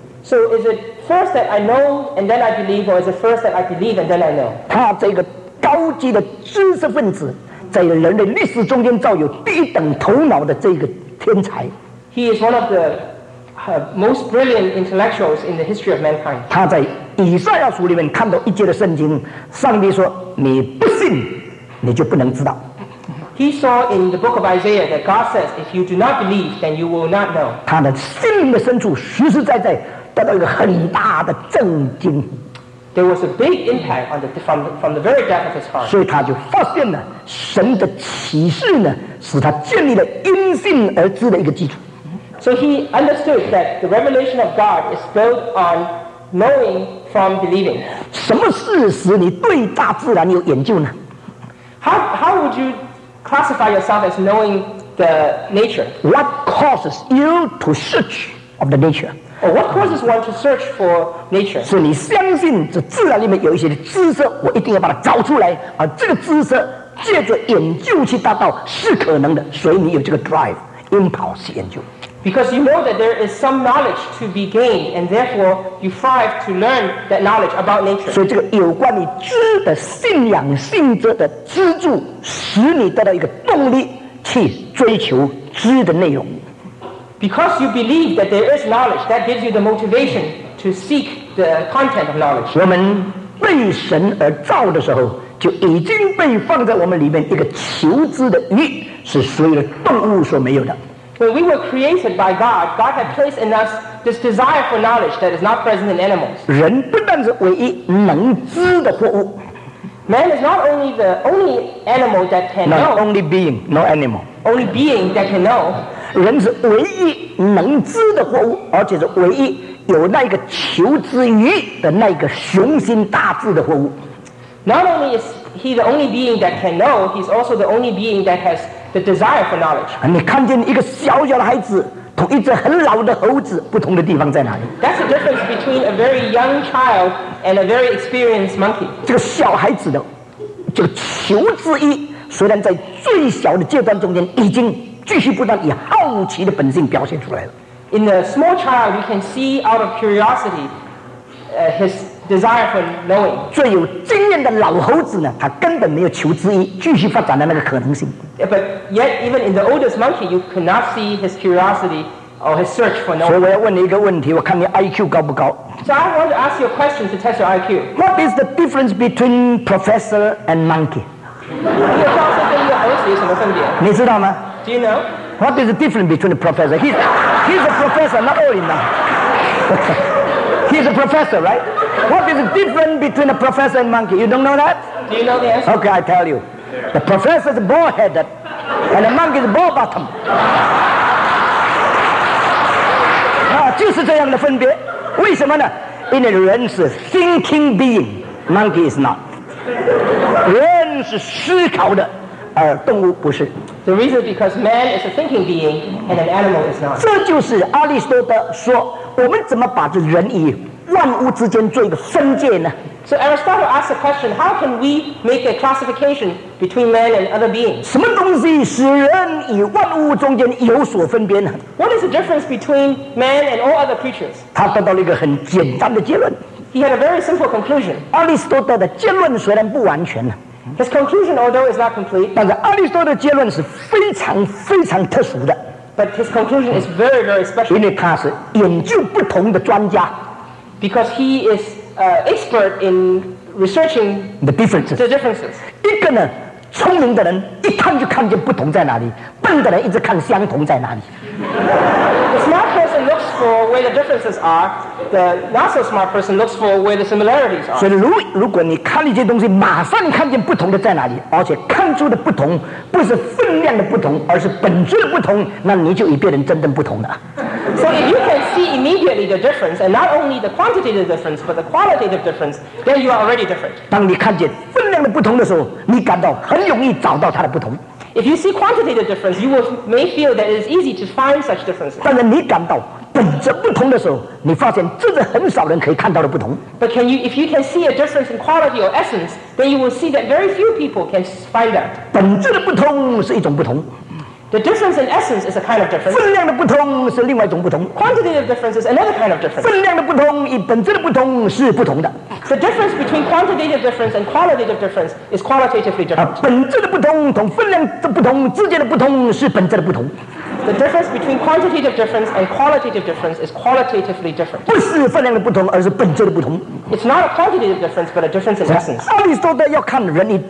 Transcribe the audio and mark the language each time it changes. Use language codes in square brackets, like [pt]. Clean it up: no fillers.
[en] So is it first that I know and then I believe, or is it first that I believe and then I know? [zh] 他这个高级的知识分子，在人类历史中间造有第一等头脑的这个天才。 [en] He is one of the most brilliant intellectuals in the history of mankind. [zh] 他在以赛亚书里面看到一节的圣经，上帝说：“你不信，你就不能知道。” [en] He saw in the book of Isaiah that God says, "If you do not believe, then you will not know." [zh] 他的心灵的深处，实实在在。得到一个很大的震惊。 [en] There was a big impact on the, from the very depth of his heart. [zh] 所以他就发现了神的启示呢，使他建立了因信而知的一个基础。 [en] So he understood that the revelation of God is built on knowing from believing. [zh] 什么事使你对大自然有研究呢 [en] ？How would you classify yourself as knowing the nature? What causes you to search of the nature? Oh, what causes one to search for nature? [zh] 是你相信这自然里面有一些的知识，我一定要把它找出来，而这个知识借着研究去达到是可能的，所以你有这个 [en] drive impulse [zh] 研究。 [en] Because you know that there is some knowledge to be gained, and therefore you strive to learn that knowledge about nature. [zh] 所以这个有关于知的信仰性质的支柱，使你得到一个动力去追求知的内容。 [en] Because you believe that there is knowledge, that gives you the motivation to seek the content of knowledge. [zh] 我们被神而造的时候，就已经被放在我们里面一个求知的欲，是所有的动物所没有的。 [en] When we were created by God, God had placed in us this desire for knowledge that is not present in animals. [zh] 人不但是唯一能知的活物。 [en] Man is not only the only animal that can know. Not only being, no animal. Only being that can know. [zh] 人是唯一能知的活物，而且是唯一有那个求知欲的那个雄心大志的活物。 [en] Not only is he the only being that can know, he's also the only being that has the desire for knowledge. [zh] 你看见一个小小的孩子同一只很老的猴子不同的地方在哪里 [en] ？That's the difference between a very young child and a very experienced monkey. [zh] 这个小孩子的这个求知欲，虽然在最小的阶段中间已经。继续不断以好奇的本性表现出来了。 [en] In the small child, you can see out of curiosity, his desire for knowing. [zh] 最有经验的老猴子呢，他根本没有求知欲，继续发展的那个可能性。 [en] But yet, even in the oldest monkey, you cannot see his curiosity or his search for knowing. [zh] 所以我要问你一个问题, 我看你 IQ 高不高? [en] So I want to ask you a question to test your IQ. What is the difference between professor and monkey? [zh] 你告诉这个猴子有什么分别? 你知道吗? [en] Do you know? What is the difference between the professor? He's a professor, not old enough. He's a professor, right? What is the difference between a professor and monkey? You don't know that? Do you know the answer? Okay, I tell you. The professor is bald-headed, and the monkey is bald-bottom. [zh] 就是这样的分别 为什么呢? 因为人是 [en] thinking being monkey is not [zh] 人是思考的 而动物不是 [en] the reason is because man is a thinking being and an animal is not [zh] 这就是阿里斯多德说 我们怎么把这人与万物之间做一个分界呢? [en] So Aristotle asked the question how can we make a classification between man and other beings? [zh] 什么东西使人与万物中间有所分别呢? [en] What is the difference between man and all other creatures? [zh] 他得到了一个很简单的结论 [en] He had a very simple conclusion. [zh] 阿里斯多德的结论虽然不完全 [en] His conclusion although is not complete [zh] 但是阿里斯多德的结论是非常非常特殊的 [en] But his conclusion is very very special. [zh] 因为他是研究不同的专家 [en] Because he is expert in researching the differences. [zh] 一个呢, 聪明的人, 一看就看见不同在哪里, 笨的人一直看相同在哪里。 [en] The smart person looks for where the differences are, the not so smart person looks for where the similarities are. [zh] 所以如果你看了这些东西, 马上看见不同的在哪里, 而且看出的不同, 不是分量的不同, 而是本质的不同, 那你就与别人真正不同了。 [en] So if you can see immediately the difference, and not only the quantitative difference, but the qualitative difference, then you are already different. [zh] 当你看见分量的不同的时候, 你感到很容易找到它的不同。 [en] If you see quantitative difference, you may feel that it is easy to find such differences. [zh] 但是你感到本质不同的时候, 你发现这是很少人可以看到的不同。 [en] But can you, if you can see a difference in quality or essence, then you will see that very few people can find that. [zh] 本质的不同是一种不同。 [en] The difference in essence is a kind of difference. [zh] 分量的不同是另外一种不同。 [en] Quantitative difference is another kind of difference. [zh] 分量的不同与本质的不同是不同的。 [en] The difference between quantitative difference and qualitative difference is qualitatively different. [zh] 本质的不同同分量的不同之间的不同是本质的不同。 [en] The difference between quantitative difference and qualitative difference is qualitatively different. [zh] 不是分量的不同，而是本质的不同。 [en] It's not a quantitative difference, but a difference in essence.